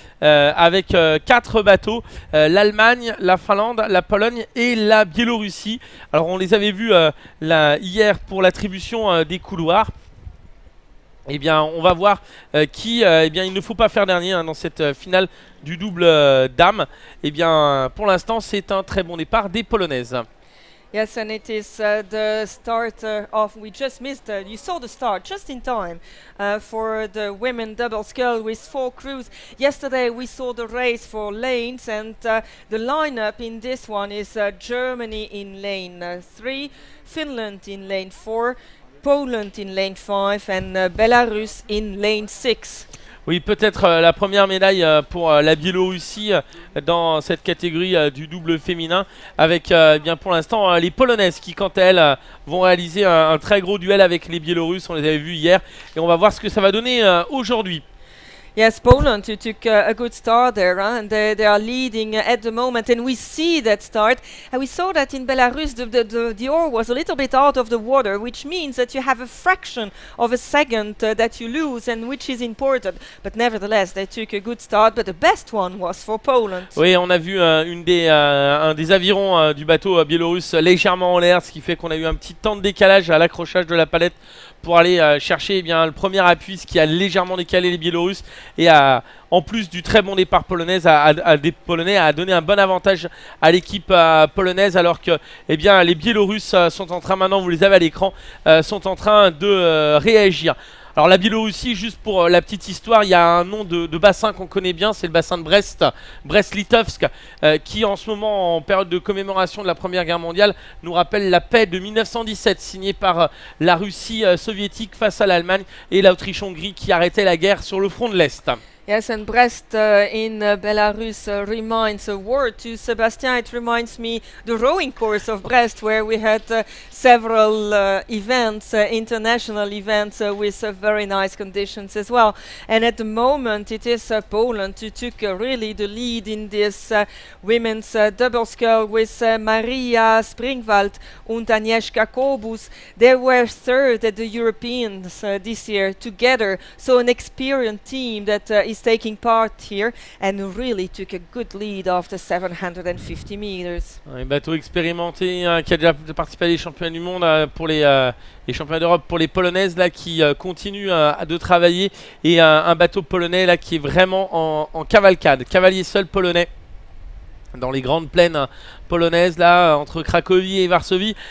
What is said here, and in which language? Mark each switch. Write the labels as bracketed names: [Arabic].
[French] Avec 4 bateaux, l'Allemagne, la Finlande, la Pologne et la Biélorussie. Alors on les avait vus hier pour l'attribution des couloirs. Eh bien on va voir qui, eh bien il ne faut pas faire dernier hein, dans cette finale du double dames. Eh bien pour l'instant c'est un très bon départ des Polonaises. [English] Yes, and it is the start of, we just missed, you saw the start just in time for the women double scull with 4 crews. Yesterday we saw the race for lanes and the lineup in this one is Germany in lane 3, Finland in lane 4, Poland in lane 5 and Belarus in lane 6. [French] Oui, peut-être la première médaille pour la Biélorussie dans cette catégorie du double féminin avec bien pour l'instant les Polonaises qui, quant à elles, vont réaliser un très gros duel avec les Biélorusses. On les avait vus hier et on va voir ce que ça va donner aujourd'hui. [English] Yes, Poland, you took a good start there, huh? And they are leading at the moment, and we see that start. And we saw that in Belarus, the oar was a little bit out of the water, which means that you have a fraction of a second that you lose, and which is important. But nevertheless, they took a good start, but the best one was for Poland. [French] Oui, on a vu un des avirons du bateau biélorusse légèrement en l'air, ce qui fait qu'on a eu un petit temps de décalage à l'accrochage de la palette pour aller chercher eh bien, le premier appui, ce qui a légèrement décalé les Biélorusses et en plus du très bon départ polonais, à donner un bon avantage à l'équipe polonaise alors que eh bien, les Biélorusses sont en train, maintenant vous les avez à l'écran, sont en train de réagir. Alors la Biélorussie, juste pour la petite histoire, il y a un nom de bassin qu'on connaît bien, c'est le bassin de Brest, Brest-Litovsk, qui en ce moment, en période de commémoration de la Première Guerre mondiale, nous rappelle la paix de 1917 signée par la Russie soviétique face à l'Allemagne et l'Autriche-Hongrie qui arrêtait la guerre sur le front de l'Est. [English] Yes, and Brest in Belarus reminds a word to Sébastien. It reminds me the rowing course of Brest, where we had several events, international events, with very nice conditions as well. And at the moment, it is Poland who took really the lead in this women's double scull with Maria Springwald and Agnieszka Kobus. They were third at the Europeans this year together. So an experienced team that is taking part here and really took a good lead after 750 meters. [French] Un bateau expérimenté qui a déjà participé à des championnats du monde pour les championnats d'Europe pour les Polonaises là qui continuent de travailler et un bateau polonais là qui est vraiment en cavalcade, cavalier seul polonais. dans les grandes plaines polonaises, là, entre Cracovie et Varsovie.